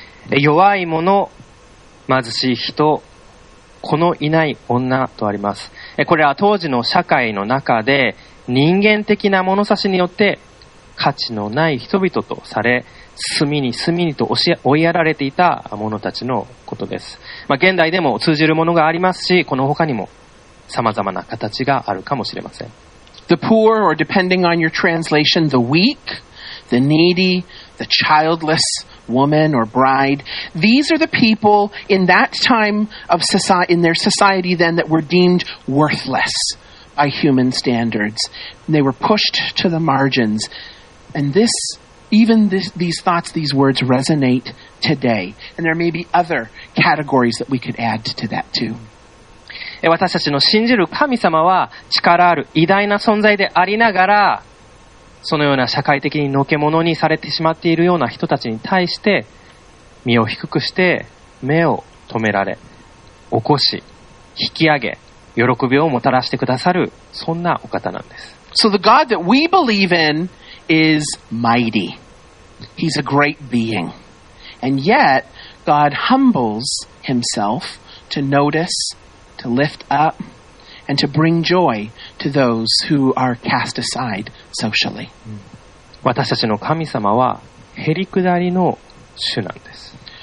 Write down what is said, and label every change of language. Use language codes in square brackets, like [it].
[ja] 弱い者、貧しい人、このいない女とあります。これは当時の社会の中で人間的な物差しによって価値のない人々とされ、隅にと追いやられていた者たちのことです。まあ、現代でも通じるものがありますし、この他にも様々な形があるかもしれません。 [en] The poor, or depending on your translation, the weak, the needy, the childless woman or bride, these are the people in that time of society, in their society then, that were deemed worthless by human standards. They were pushed to the margins. And this, even this, these thoughts, these words resonate today. And there may be other categories that we could add to that too. [ja] 私たちの信じる神様は力ある偉大な存在でありながら、そのような社会的にのけものにされてしまっているような人たちに対して、身を低くして目を止められ、起こし、引き上げ、喜びをもたらしてくださる、そんなお方なんです。 [en] So the God that we believe in is mighty. He's a great being. And yet, God humbles himself to notice, to lift up, and to bring joy to those who are cast aside socially. [ja] 私たちの神様は、へりくだりの主なんです。